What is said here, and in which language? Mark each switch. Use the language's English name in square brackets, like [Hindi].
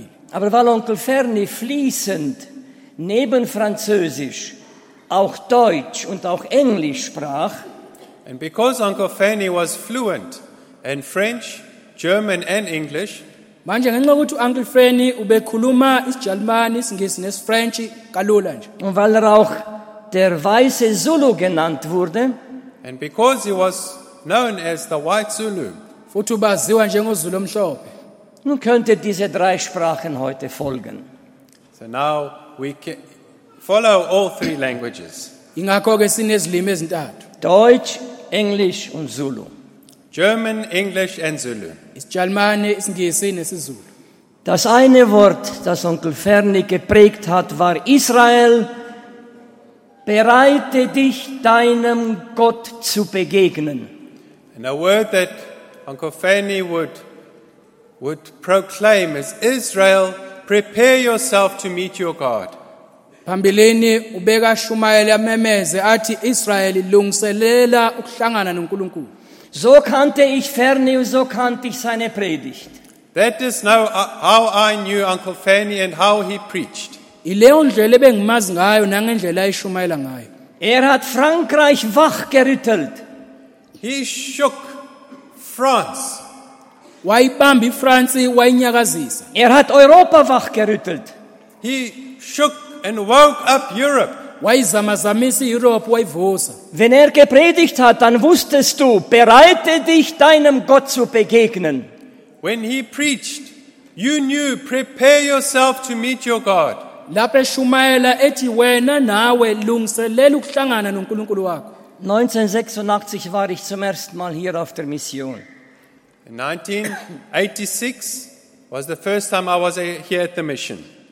[German] Aber weil Onkel Ferny fließend neben Französisch auch Deutsch und auch Englisch sprach, [English] and because Uncle Ferny was fluent in French, German and English, [Zulu] manje ngenxa ukuthi Uncle Ferny ubekhuluma isiJalimani, isiNgisi nesiFrench kalula nje, [German] und weil er auch der weiße Zulu genannt wurde, [English] and because he was known as the white Zulu, [Zulu] futhi ubaziwa njengoZulu omhlophe, [German] nun könnte diese drei Sprachen heute folgen. [English] So now we can follow all three languages. [Zulu] Ingakho ke sinezilimi ezintathu. [German] Deutsch, English und Zulu. [English] German, English and Zulu. [Zulu] IsiJalimani, isiNgisi nesiZulu. [German] Das eine Wort, das Onkel Ferny geprägt hat, war Israel. Bereite dich deinem Gott zu begegnen. [English] And a word that Uncle Ferny would proclaim is Israel, prepare yourself to meet your God. [Zulu] Pambilini ubeka Shumayeli amemeze athi Israel lungiselela ukuhlangana noNkulunkulu. [German] So kannte ich Ferny und so kannte ich seine Predigt. [English] That is now how I knew Uncle Ferny and how he preached. [German] Er hat Frankreich wachgerüttelt. [English] He shook France. [Zulu] Waibambi France, wainyakazisa. [German] Er hat Europa wachgerüttelt. [English] He shook and woke up Europe. [German] Wenn er gepredigt hat, dann wusstest du, bereite dich deinem Gott zu begegnen. [English] When he preached, you knew, prepare yourself to meet your God. [German] '86 war ich zum ersten Mal hier auf der Mission. [English] In 1986 was the first time I was here at the mission.